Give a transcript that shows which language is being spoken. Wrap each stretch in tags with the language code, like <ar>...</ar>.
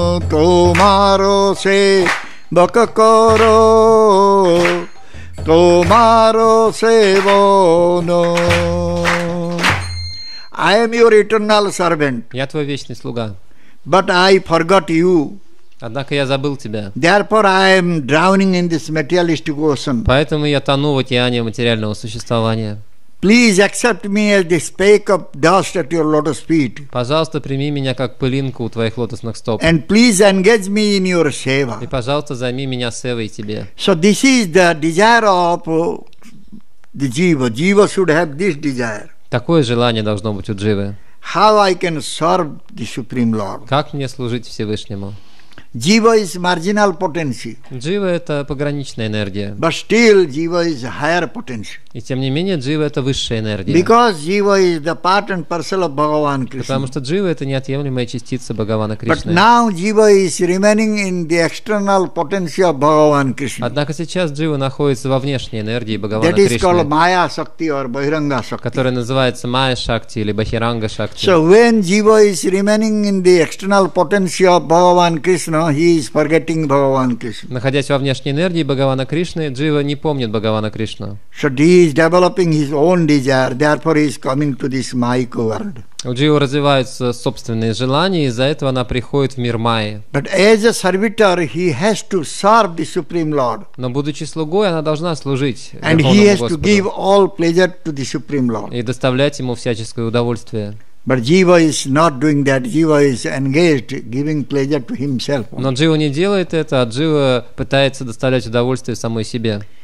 <bn>Tomaro se baka kara Tomaro se vana</bn> <en>I am your eternal servant.</en> <ru>Я твой вечный слуга.</ru> <en>But I forgot you.</en> <ru>Однако я забыл тебя.</ru> <en>Therefore I am drowning in this materialistic ocean.</en> <ru>Поэтому я тону в океане материального существования.</ru> <en>Please accept me as the speck of dust at your lotus feet.</en> <ru>Пожалуйста, прими меня как пылинку у твоих лотосных стоп.</ru> <en>And please engage me in your seva.</en> <ru>И пожалуйста, займи меня севой тебе.</ru> <en>So this is the desire of the jiva. Jiva should have this desire.</en> <ru>Такое желание должно быть у дживы.</ru> <en>How I can serve the Supreme Lord?</en> <ru>Как мне служить Всевышнему?</ru> <en>Jiva is marginal potency.</en> <ru>Jiva это пограничная энергия.</ru> <en>But still, Jiva is higher potency.</en> <ru>И тем не менее, Jiva это высшая энергия.</ru> <en>Because Jiva is the part and parcel of Bhagavan Krishna.</en> <ru>Потому что Jiva это неотъемлемая частица Бхагавана Кришны.</ru> <en>But now Jiva is remaining in the external potency of Bhagavan Krishna.</en> <ru>Однако сейчас Jiva находится во внешней энергии Бхагавана Кришны.</ru> <en>That is called Maya Shakti or Bahiranga Shakti.</en> <ru>Которая называется Maya Shakti или Bahiranga Shakti.</ru> <en>So when Jiva is remaining in the external potency of Bhagavan Krishna. No, he is forgetting Bhagavan Krishna.</en> <ru>Находясь во внешней энергии Бхагавана Кришны, Джива не помнит Бхагавана Кришну.</ru> <en>So he is developing his own desire, therefore he is coming to this Майя world.</en> <ru>У Джива развиваются собственные желания, из-за этого она приходит в мир Майи.</ru> <en>But as a servitor, he has to serve the Supreme Lord.</en> <ru>Но будучи слугой, она должна служить</ru> <en>And</en> <ru>Верховному</ru> <en>he has</en> <ru>Господу.</ru> <en>To give all pleasure to the Supreme Lord.</en> <ru>И доставлять ему всяческое удовольствие.</ru> <en>But Jiva is not doing that. Jiva is engaged giving pleasure to himself.</en> <ru>Но Джива не делает это, а Джива пытается доставлять удовольствие самой себе.</ru>